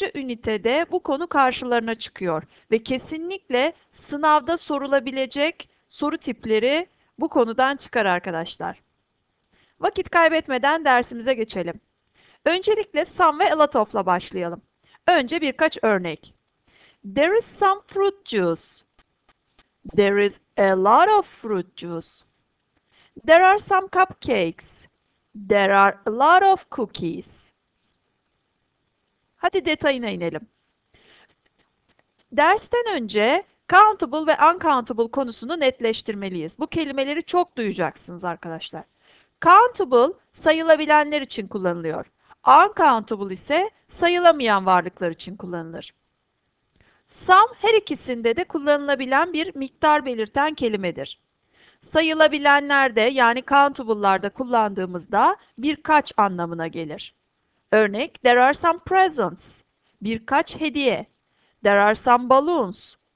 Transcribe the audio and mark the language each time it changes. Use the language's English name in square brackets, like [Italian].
[Turkish] ünitede bu konu karşılarına çıkıyor ve kesinlikle sınavda sorulabilecek soru tipleri bu konudan çıkar arkadaşlar. Vakit kaybetmeden dersimize geçelim. Öncelikle some ve a lot of'la başlayalım. Önce birkaç örnek. [English] There is some fruit juice. There is a lot of fruit juice. There are some cupcakes. There are a lot of cookies. [Turkish] Hadi detayına inelim. Dersten önce countable ve uncountable konusunu netleştirmeliyiz. Bu kelimeleri çok duyacaksınız arkadaşlar. Countable sayılabilenler için kullanılıyor. Uncountable ise sayılamayan varlıklar için kullanılır. Sum her ikisinde de kullanılabilen bir miktar belirten kelimedir. Sayılabilenlerde yani countable'larda kullandığımızda birkaç anlamına gelir. [English] Örnek: There are some presents. [Turkish] Birkaç hediye. [English] There are some balloons.